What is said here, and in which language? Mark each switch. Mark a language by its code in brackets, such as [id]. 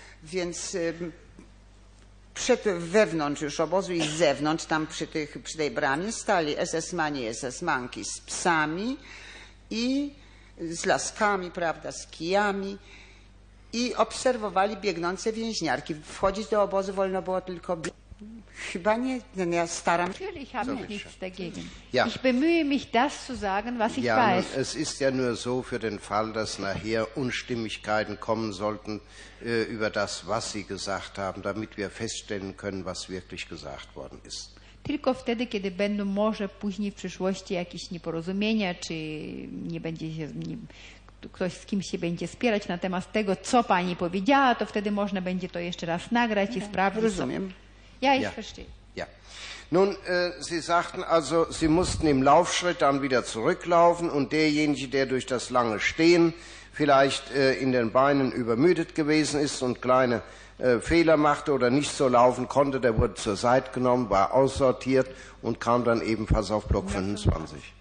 [pl] Więc wewnątrz już obozu i z zewnątrz, tam przy tej bramie, stali SS-mani, SS-manki z psami i z laskami, prawda, z kijami i obserwowali biegnące więźniarki. Wchodzić do obozu wolno było tylko... Chyba nie, denn ja staram. [de] Natürlich habe ich nichts dagegen. Ja. Ich bemühe mich, das zu sagen, was ich weiß. Es ist ja nur so für den Fall, dass nachher Unstimmigkeiten kommen sollten über das, was Sie gesagt haben, damit wir feststellen können, was wirklich gesagt worden ist. [pl] Tylko wtedy, kiedy będą może później w przyszłości jakieś nieporozumienia, czy nie będzie się z nim, ktoś z kimś się będzie spierać na temat tego, co pani powiedziała, to wtedy można będzie to jeszcze raz nagrać i sprawdzić. Rozumiem. [de] Ja, ich verstehe. Ja. Nun, Sie sagten also, Sie mussten im Laufschritt dann wieder zurücklaufen und derjenige, der durch das lange Stehen vielleicht in den Beinen übermüdet gewesen ist und kleine Fehler machte oder nicht so laufen konnte, der wurde zur Seite genommen, war aussortiert und kam dann ebenfalls auf Block 25.